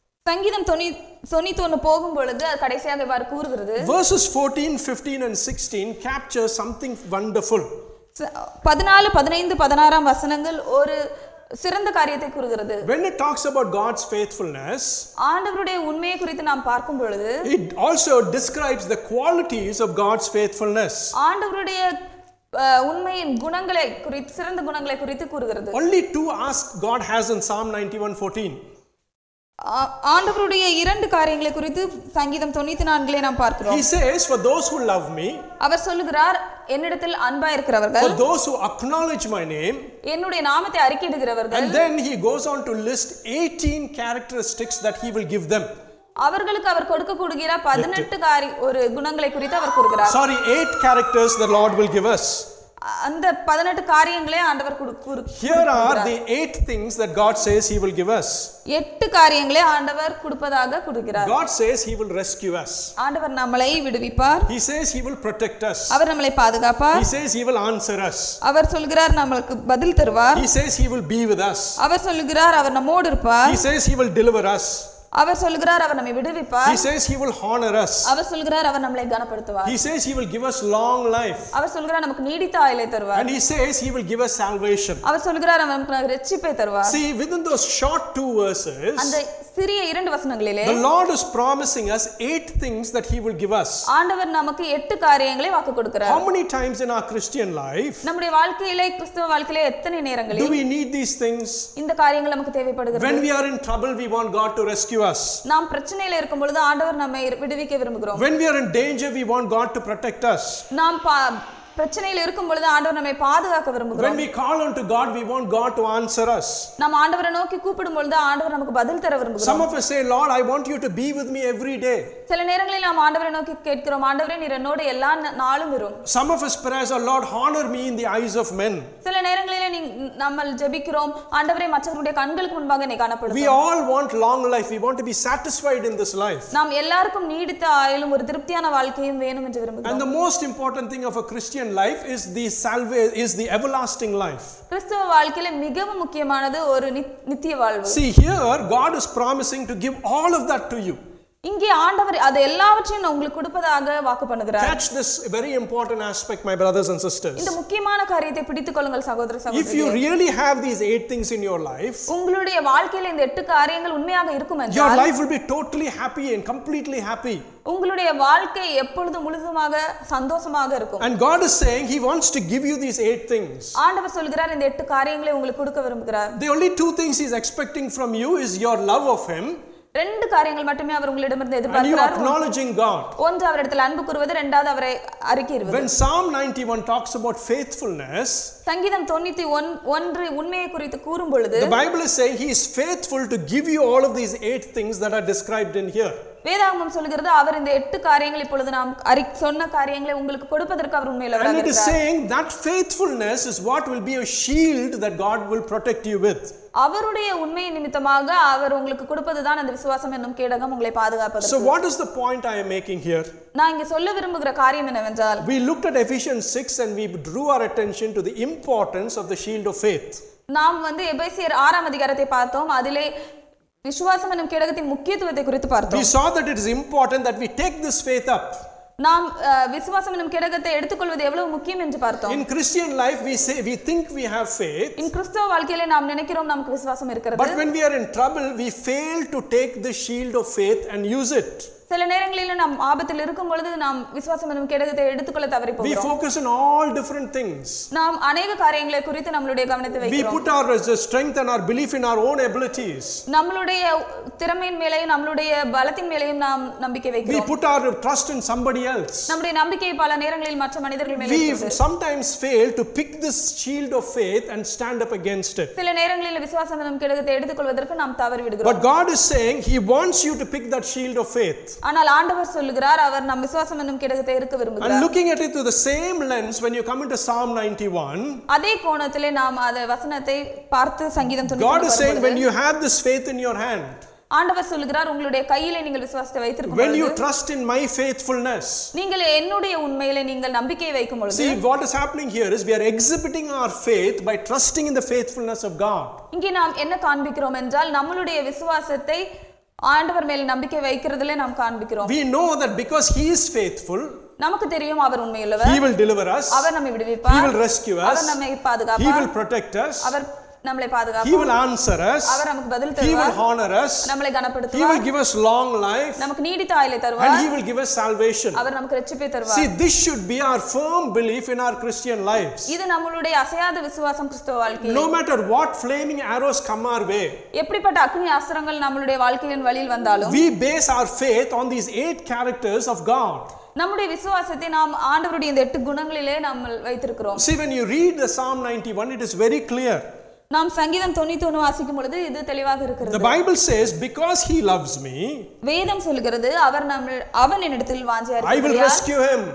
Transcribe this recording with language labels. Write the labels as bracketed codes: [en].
[ta] சங்கீதம் 91 போகும் பொழுது கடைசியாக இவர் கூறுகிறது. [en] Verses 14, 15 and 16 capture something wonderful. [ta] 14, 15, 16 வசனங்கள் ஒரு சிறந்த காரியத்தை கூறுகிறது. [en] When it talks about God's faithfulness, [ta] ஆண்டவருடைய உண்மையை குறித்து நாம் பார்க்கும் பொழுது, [en] it also describes the qualities of God's faithfulness. [ta] ஆண்டவருடைய உண்மையின் குணங்களை குறித்து, சிறந்த குணங்களை குறித்து கூறுகிறது. [en] Only two ask God has in Psalm 91:14. [ta] ஆண்டவருடைய இரண்டு காரியங்களை குறித்து சங்கீதம் 94 நாம் பார்க்கிறோம். [en] He says for those who love me. [ta] அவர் சொல்கிறார் என்னிடத்தில் அன்பாய் இருக்கிறவர்கள். [en] For those who acknowledge my name. [ta] என்னுடைய நாமத்தை அறிக்கையிடுகிறவர்கள். [en] And then he goes on to list 18 characteristics that he will give them. [ta] அவர்களுக்கு அவர் கொடுக்க கூடுகிற 18 காரி ஒரு குணங்களை குறித்து அவர் கூறுகிறார். [en] Sorry, 8 characters the Lord will give us. [ta] அந்த 18 காரியங்களே ஆண்டவர் கொடுக்கிறார். [en] Here are the 8 things that God says he will give us. [ta] 8 காரியங்களே ஆண்டவர் கொடுப்பதாக கொடுக்கிறார். [en] God says he will rescue us. [ta] ஆண்டவர் நம்மளை விடுவிப்பார். [en] He says he will protect us. [ta] அவர் நம்மளை பாதுகாப்பார். [en] He says he will answer us. [ta] அவர் சொல்கிறார் நமக்கு பதில் தருவார். [en] He says he will be with us. [ta] அவர் சொல்கிறார் அவர் நம்மோடு இருப்பார். [en] He says he will deliver us. [ta] அவர் சொல்கிறார் அவர் நம்மை விடுவிப்பார். [en] He says he will honor us. [ta] அவர் சொல்கிறார் அவர் நம்மளை கனப்படுத்துவார். [en] He says he will give us long life. [ta] அவர் சொல்கிறார் நமக்கு நீடித்த ஆயுளை தருவார். [en] And he says he will give us salvation. [ta] அவர் சொல்கிறார் அவர் நமக்கு இரட்சிப்பை தருவார். [en] See within those short two verses. [ta] அந்த சிறிய இரண்டு வசனங்களிலே. [en] The Lord is promising us 8 things that he will give us. [ta] ஆண்டவர் நமக்கு 8 காரியங்களை வாக்கு கொடுக்கிறார். [en] How many times in our Christian life? [ta] நம்முடைய வாழ்க்கையிலே கிறிஸ்துவ வாழ்க்கையிலே எத்தனை நேரங்களில் [en] do we need these things? [ta] இந்த காரியங்கள் நமக்கு தேவைப்படுகிறது. [en] When we are in trouble we want God to rescue us. [ta] நாம் பிரச்சனையில் இருக்கும்போது ஆண்டவர் நம்மை விடுவிக்க விரும்புகிறோம். [en] When we are in danger we want God to protect us. [ta] நாம் பிரச்சனையில் இருக்கும்போது ஆண்டவர் நம்மை பாதுகாக்க விரும்புகிறோம். [en] When we call unto God we want God to answer us. [ta] நாம் ஆண்டவரை நோக்கி கூப்பிடும்போது ஆண்டவர் நமக்கு பதில் தர விரும்புகிறோம். [en] Some of us say Lord I want you to be with me every day. [ta] சில நேரங்களில் நாம் ஆண்டவரை நோக்கி கேட்கிறோம் ஆண்டவரே நீர் என்னோடு எல்லா நாளும் இரு. [en] Some of us pray as Lord honor me in the eyes of men. [ta] சில நேரங்களில் நம்ம ஜெபிக்கிறோம் ஆண்டவரே மற்றவர்களுடைய கண்களுக்கு முன்பாக நீ காணப்படும். [en] We all want long life. We want to be satisfied in this life. [ta] நாம் எல்லாருக்கும் நீடித்த ஆயுளும் ஒரு திருப்தியான வாழ்க்கையும் வேணும் என்று விரும்புகிறோம். [en] And the most important thing of a Christian life is the salvation, is the everlasting life. [ta] கிறிஸ்துவ வாழ்க்கையில மிகவும் முக்கியமானது ஒரு நித்திய வாழ்வு. [en] See here God is promising to give all of that to you. [ta] இங்கே ஆண்டவர் அதை எல்லாவற்றையும் உங்களுக்கு கொடுப்பதாக வாக்கு பண்ணுகிறார். [en] Catch this very important aspect my brothers and sisters. [ta] இந்த முக்கியமான காரியத்தை பிடித்துக் கொள்ளுங்கள் சகோதர சகோதரி. [en] If you really have these 8 things in your life, [ta] உங்களுடைய வாழ்க்கையில இந்த 8 காரியங்கள் உண்மையாக இருக்கும் என்றால், [en] your life will be totally happy and completely happy. [ta] உங்களுடைய வாழ்க்கை எப்பொழுதும் முழுதுமாக சந்தோஷமாக இருக்கும். [en] And God is saying he wants to give you these 8 things. [ta] ஆண்டவர் சொல்கிறார் இந்த 8 காரியங்களை உங்களுக்கு கொடுக்க விரும்புகிறார். [en] The only two things he is expecting from you is your love of him. [ta] ரெண்டு காரியங்கள் மட்டுமே அவர் உங்களிடமிருந்து எதிர்பார்க்கிறார். ஒன்று அவர் இடத்தில் அன்பு கூறுவது, இரண்டாவது அவரை அறிக்கையிடுவது. [en] When Psalm 91 talks about faithfulness, [ta] சங்கீதம் 91 உண்மையை குறித்து கூறும்பொழுது, [en] the Bible is saying he is faithful to give you all of these eight things that are described in here. [ta] வேதாகமம் சொல்கிறது அவர் இந்த எட்டு காரியங்களை இப்பொழுது நாம் சொன்ன காரியங்களை உங்களுக்கு கொடுப்பதற்கு அவர் உண்மையில் வராங்க. [en] And it is saying that faithfulness is what will be a shield that God will protect you with. [ta] அவருடைய உண்மையின் நிமித்தமாக அவர் உங்களுக்கு கொடுப்பதுதான் அந்த விசுவாசம் என்னும் கேடகம் உங்களை பாதுகாப்பது. [en] So what is the point I am making here? [ta] நான் இங்கே சொல்ல விரும்புகிற காரியம் என்னவென்றால், [en] we looked at Ephesians 6 and we drew our attention to the importance of the shield of faith. [ta] நாம் வந்து எபேசியர் 6 அதிகாரத்தை பார்த்தோம். அதிலே விசுவாசம் என்னும் கேடகத்தின் முக்கியத்துவத்தை குறித்து பார்த்தோம். [en] We saw that it is important that we take this faith up. [ta] நாம் விசுவாசம் என்னும் கேடகத்தை எடுத்துக்கொள்வது எவ்வளவு முக்கியம் என்று பார்த்தோம். [en] In Christian life we say we think we have faith. [ta] இன் கிறிஸ்தவ வாழ்க்கையிலே நாம் நினைக்கிறோம் நமக்கு விசுவாசம் இருக்கிறது. [en] But when we are in trouble we fail to take the shield of faith and use it. [ta] சில நேரங்களில் நாம் ஆபத்தில் இருக்கும் பொழுது நாம் விசுவாசம் என்னும் கேடகத்தை எடுத்துக்கொள்ள தவறி போகிறோம். [en] We focus on all different things. [ta] நாம் அநேக காரியங்களை குறித்து நம்மளுடைய கவனத்தை வைக்கிறோம். [en] We put our strength and our belief in our own abilities. [ta] நம்மளுடைய திறமையின் மேலையும் நம்மளுடைய பலத்தின் மேலையும் நாம் நம்பிக்கை வைக்கிறோம். [en] We put our trust in somebody else. [ta] நம்முடைய நம்பிக்கையை பல நேரங்களில் மற்ற மனிதர்கள் மேல் வைக்கிறோம். [en] We sometimes fail to pick this shield of faith and stand up against it. [ta] சில நேரங்களில் விசுவாசம் என்னும் கேடகத்தை எடுத்துக்கொள்வதற்கு நாம் தவறி விடுகிறோம். [en] But God is saying he wants you to pick that shield of faith. [ta] ஆனால் ஆண்டவர் சொல்கிறார் அவர் நம் விசுவாசம் என்னும் கேடகத்தை இருக்க விரும்புகிறார். [en] And looking at it through the same lens when you come into Psalm 91. [ta] அதே கோணத்திலே நாம் அந்த வசனத்தை பார்த்து சங்கீதம் சொல்கிறார். [en] God is saying when you have this faith in your hand. [ta] ஆண்டவர் சொல்கிறார் உங்களுடைய கையிலே நீங்கள் விசுவாசத்தை வைத்திருக்கும் பொழுது. [en] When you trust in my faithfulness. [ta] நீங்கள் என்னுடைய உண்மையிலே நீங்கள் நம்பிக்கை வைக்கும் பொழுது. [en] See what is happening here is we are exhibiting our faith by trusting in the faithfulness of God. [ta] இங்கே நாம் என்ன காண்பிக்கிறோம் என்றால் நம்மளுடைய விசுவாசத்தை ஆண்டவர் மேல் நம்பிக்கை வைக்கிறதுலே நாம் காண்பிக்கிறோம். [en] We know that because he is faithful. [ta] நமக்கு தெரியும் அவர் உண்மையுள்ளவர். [en] He will deliver us. [ta] அவர் நம்மை விடுவிப்பார். [en] He will rescue us. [ta] அவர் நம்மை பாதுகாப்பார். [en] He will protect us. [ta] அவர் நம்மளை பாதுகாப்பார். [en] He will answer us. [ta] அவர் நமக்கு பதில் தருவார். [en] He will honor us. [ta] நம்மளை கனப்படுத்துவார். [en] He will give us long life. [ta] நமக்கு நீடித்த ஆயுளை தருவார். [en] And he will give us salvation. [ta] அவர் நமக்கு இரட்சிப்பை தருவார். [en] See this should be our firm belief in our Christian lives. [ta] இது நம்மளுடைய அசையாத விசுவாசம் கிறிஸ்துவ வாழ்க்கையில். [en] No matter what flaming arrows come our way. [ta] எப்படிப்பட்ட அக்னி அஸ்திரங்கள் நம்மளுடைய வாழ்க்கையின் வழியில் வந்தாலும். [en] We base our faith on these eight characters of God. [ta] நம்முடைய விசுவாசத்தை நாம் ஆண்டவருடைய இந்த எட்டு குணங்களிலே நாம் வைத்திருக்கிறோம். [en] See when you read the Psalm 91 it is very clear. [ta] நாம் சங்கீதம் 91 வாசிக்கும் பொழுது இது தெளிவாக இருக்கிறது. [en] The Bible says because he loves me. [ta] வேதம் சொல்கிறது அவர் நம் அவன் என்னிடத்தில் வாஞ்சையாக இருக்கிறார். [en] I will rescue him.